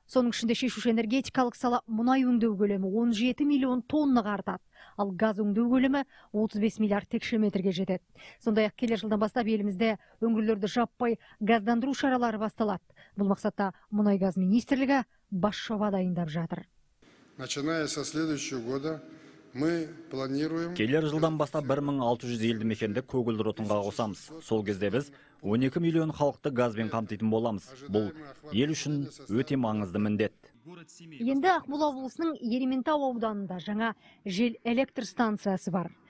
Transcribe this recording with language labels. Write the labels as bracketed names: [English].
[Kazakh] Соның ішінде шешуші энергетикалық сала мұнай өңдеу көлемі 17 миллион тоннаға артады. Ал газ өңдеу көлемі 35 миллиард текше метрге жетеді. Сондай-ақ келер жылдан бастап елімізде өңірлерді жаппай газдандыру шаралары басталады. Бұл мақсатта мұнай-газ министрлігі бас жоба дайындап жатыр. [Russian] Начиная со следующего года мы планируем. [Kazakh] Келер жылдан бастап 1600 елді мекенді көгілдір отынға қосамыз. Сол кезде біз 12 миллион халықты газбен қамтитын боламыз. Бұл ел үшін өте маңызды міндет. Енді Ақмола облысының Ерементау ауданында жаңа жел электр станциясы бар.